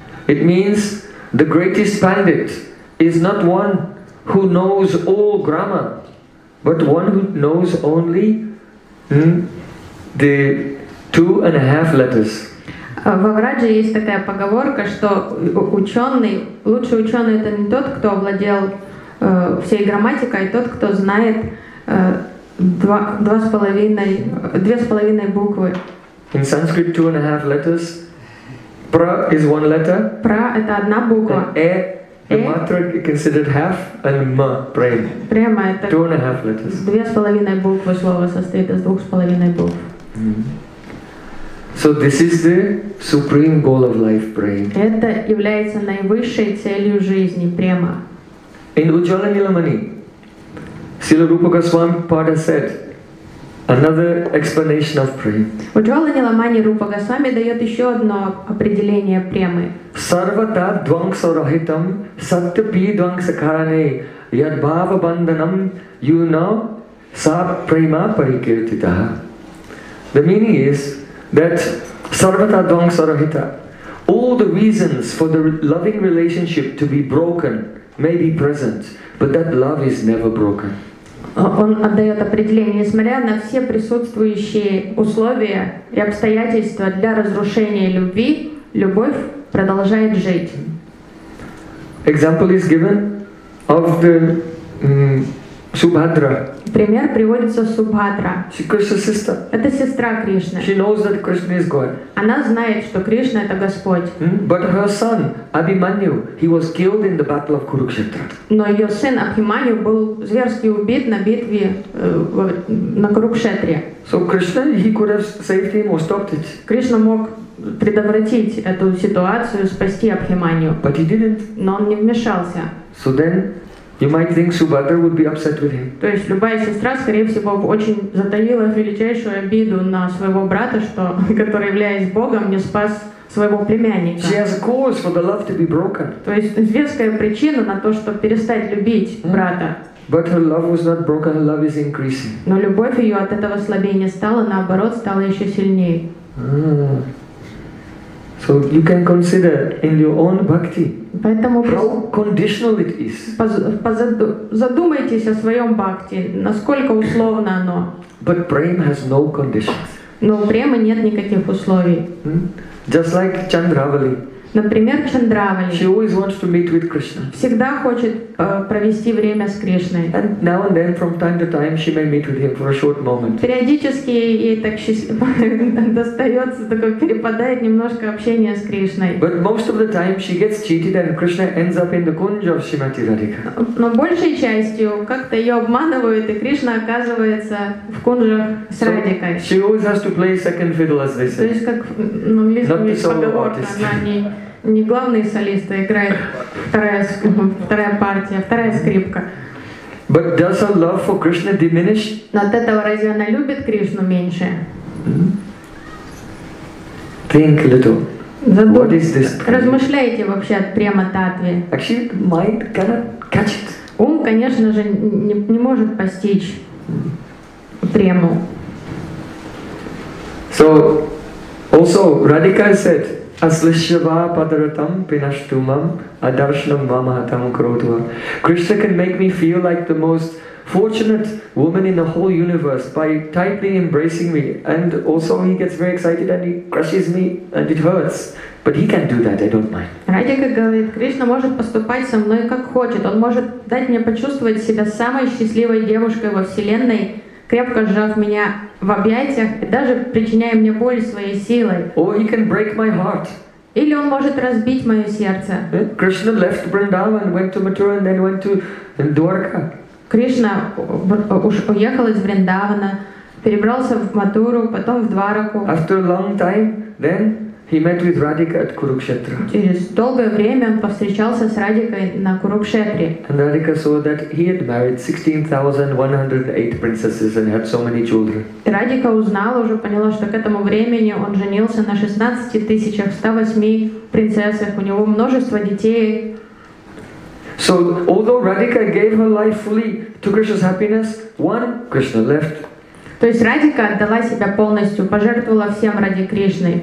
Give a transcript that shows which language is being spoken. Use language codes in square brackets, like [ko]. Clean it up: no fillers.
[en] It means the greatest pandit is not one who knows all grammar, but one who knows only the 2.5 letters. [ru] Во Врадже есть такая поговорка, что ученый, лучший ученый это не тот, кто овладел всей грамматикой, а тот, кто знает 2.5 буквы. [en] In Sanskrit, 2.5 letters. Pra is one letter. [ru] Pra это одна буква. [en] The matra is considered half, and ma prem. [ru] Prema это [en] 2.5 letters. [ru] 2.5 буквы слова состоит из 2.5 букв. [en] So this is the supreme goal of life, prem. [ru] Это является наивысшей целью жизни, према. [en] In Ujjvala Nilamani, Srila Rupa Goswami Pada said. Another explanation of prema. [ru] Ujjvala Nilamani Rupa Goswami дает еще одно определение премы. [sa] Sarvata dvangsa rahitam satyapi dvangsa karane yad bhava bandhanam [en] you know [sa] sa prema parikirtita. [en] The meaning is that [sa] sarvata dvangsa rahita, [en] all the reasons for the loving relationship to be broken may be present, but that love is never broken. [ru] Он отдает определение, несмотря на все присутствующие условия и обстоятельства для разрушения любви, любовь продолжает жить. [en] Example is given of the Субхадра. [ru] Пример приводится Субхадра. [en] Кришна sister. [ru] Это сестра Кришны. [en] She knows that Krishna is God. [ru] Она знает, что Кришна это Господь. [en] But her son Abhimanyu, he was killed in the battle of Kurukshetra. [ru] Но ее сын Абхиманью был зверски убит на битве на Курукшетре. [en] So Krishna, he could have saved him or stopped it. [ru] Кришна мог предотвратить эту ситуацию, спасти Абхиманью. [en] But he didn't. [ru] Но он не вмешался. [en] So then, you might think Subhadra would be upset with him. [ru] То есть любая сестра, скорее всего, очень затаила величайшую обиду на своего брата, что, который, являясь Богом, не спас своего племянника. [en] She has a cause for the love to be broken. [ru] То есть веская причина на то, чтобы перестать любить брата. [en] But her love was not broken. Her love is increasing. [ru] Но любовь ее от этого слабее не стала, наоборот, стала еще сильнее. [en] So you can consider in your own bhakti. [ru] Поэтому [en] how conditional it is. [ru] Задумайтесь о своем бхакти, насколько условно оно. [en] But prema has no conditions. [ru] Но према нет никаких условий. [en] Just like Chandravali. [ru] Например, Чандравали. [en] She always wants to meet with Krishna. [ru] Всегда хочет провести время с Кришной. [en] And now and then, from time to time, she may meet with him for a short moment. [ru] Периодически ей так достается такое, перепадает немножко общение с Кришной. [en] But most of the time, she gets cheated, and Krishna ends up in the kunja of Shrimati Radhika. [ru] Но большей частью как-то ее обманывают, и Кришна оказывается в кунжах с Радикой. [en] She always has to play second fiddle, as they say. [ru] То есть как, ну, есть поговорка, не главный солист, а играет вторая партия, вторая скрипка. [en] But does her love for Krishna diminish? [ru] Но от этого разве она любит Кришну меньше? [en] Think a little. What is this? [ru] Размышляете вообще от према-татве? [en] Actually, mind cannot catch it. [ru] Ум, конечно же, не может постичь прему. [en] So, also, Radhika said, [sa] Aslishyava padaratam pinashtumam adarshanam mamahatam krodhva. [en] Krishna can make me feel like the most fortunate woman in the whole universe by tightly embracing me, and also he gets very excited and he crushes me and it hurts. But he can do that, I don't mind. [ru] Радика говорит, Кришна может поступать со мной как хочет. Он может дать мне почувствовать себя самой счастливой девушкой во Вселенной, крепко сжав меня в объятиях и даже причиняя мне боль своей силой. [en] Or he can break my heart. [ru] Или он может разбить мое сердце. [en] Krishna left Vrindavan, went to Mathura, and then went to Dwarka. [ru] Кришна уехал из Вриндавана, перебрался в Матуру, потом в Двараку. [en] After a long time, then he met with Radhika at Kurukshetra. [ru] Через долгое время он повстречался с Радикой на Курукшетре. [en] And Radhika saw that he had married 16,108 princesses and had so many children. [ru] И Радика узнала, уже поняла, что к этому времени он женился на 16,108 принцессах. У него множество детей. [en] So, although Radhika gave her life fully to Krishna's happiness, one, Krishna left. [ru] То есть Радика отдала себя полностью, пожертвовала всем ради Кришны.